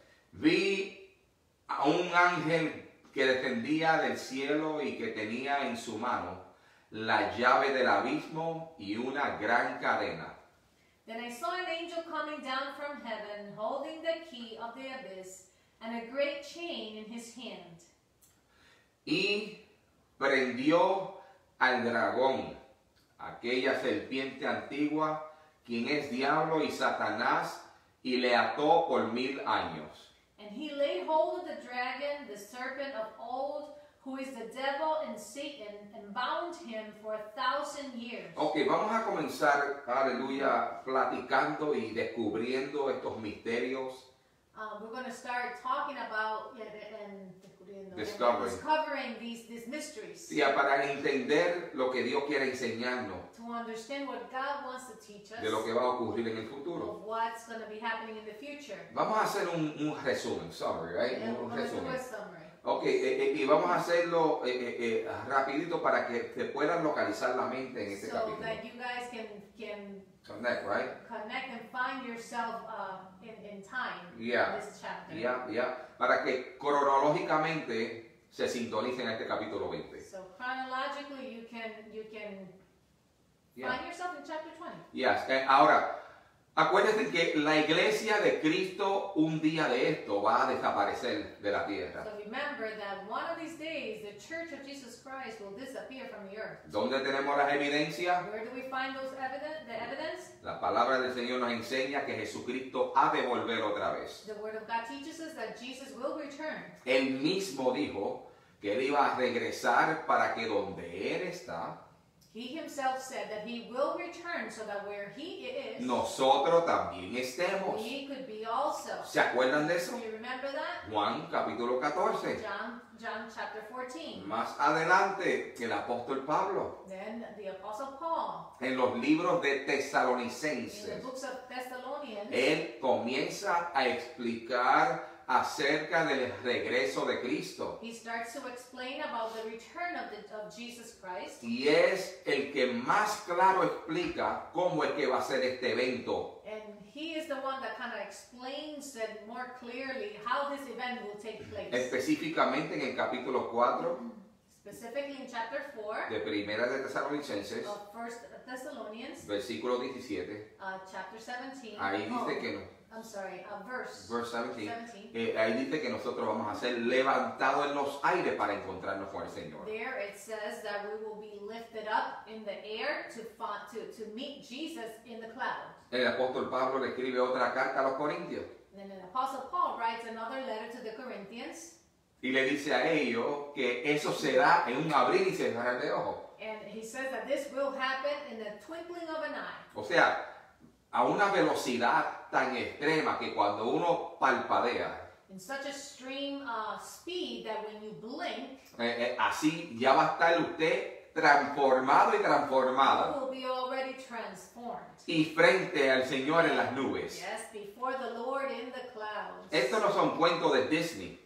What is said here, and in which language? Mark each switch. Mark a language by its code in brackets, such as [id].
[es] Vi a un ángel que descendía del cielo y que tenía en su mano la llave del abismo y una gran cadena. [en] Then I saw an angel coming down from heaven, holding the key of the abyss, and a great chain in his hand. [es] Y prendió al dragón, aquella serpiente antigua, quien es diablo y Satanás, y le ató por 1,000 años. [en] And he laid hold of the dragon, the serpent of old, who is the devil and Satan, and bound him for 1,000 years. [es] Okay, vamos a comenzar, aleluya, platicando y descubriendo estos misterios. [en] We're going to start talking about discovering these mysteries. [es] Sí, para entender lo que Dios quiere enseñarnos. [en] To understand what God wants to teach us. [es] De lo que va a ocurrir en el futuro. [en] Of what's going to be happening in the future. [es] Vamos a hacer un resumen, [en] summary, right? Yeah, [es] un resumen. Summary. Okay, y vamos a hacerlo rapidito para que te puedan localizar la mente en este [en] so [es] capítulo. [en] So that you guys can connect, right? Connect and find yourself in time. Yeah. In this chapter. Yeah, yeah. [es] Para que cronológicamente se sintonicen a este capítulo 20. [en] So chronologically, you can yeah. Find yourself in chapter 20. Yes. [es] Ahora, acuérdense que la iglesia de Cristo un día de esto va a desaparecer de la tierra. [en] So remember that one of these days the church of Jesus Christ will disappear from the earth. [es] ¿Dónde tenemos las evidencias? [en] Where do we find those evidence? [es] La palabra del Señor nos enseña que Jesucristo ha de volver otra vez. [en] The word of God teaches us that Jesus will return. [es] Él mismo dijo que él iba a regresar para que donde él está. [en] He himself said that he will return so that where he is, [es] nosotros también estemos. [en] We could be also. [es] ¿Se acuerdan de eso? [en] Do you remember that? [es] Juan capítulo 14. [en] John chapter 14. [es] Más adelante, el apóstol Pablo. [en] Then the apostle Paul. [es] En los libros de Tesalonicenses. [en] In the books of Thessalonians. [es] Él comienza a explicar acerca del regreso de Cristo. [en] He starts to explain about the return of Jesus Christ. [es] Y es el que más claro explica cómo es que va a ser este evento. [en] And he is the one that kind of explains it more clearly how this event will take place. [es] Específicamente en el capítulo 4. [en] Specifically in chapter 4. [es] De Primera de Tesalonicenses. [en] Of First Thessalonians. [es] Versículo 17. [en] Chapter 17. [es] Ahí dice que no. [en] Verse 17. [es] Ahí dice que nosotros vamos a ser levantados en los aires para encontrarnos con el Señor. [en] There it says that we will be lifted up in the air to meet Jesus in the clouds. [es] El apóstol Pablo le escribe otra carta a los Corintios. [en] Then the apostle Paul writes another letter to the Corinthians. [es] Y le dice a ellos que eso será en un abrir y cerrar de ojos. [en] And he says that this will happen in the twinkling of an eye. [es] O sea, a una velocidad tan extrema que cuando uno palpadea. [en] In such a stream speed that when you blink. [es] Así ya va a estar usted transformado y transformada. [en] You will be already transformed. [es] Y frente al Señor en las nubes. [en] Yes, before the Lord in the clouds. [es] Estos no son cuentos de Disney.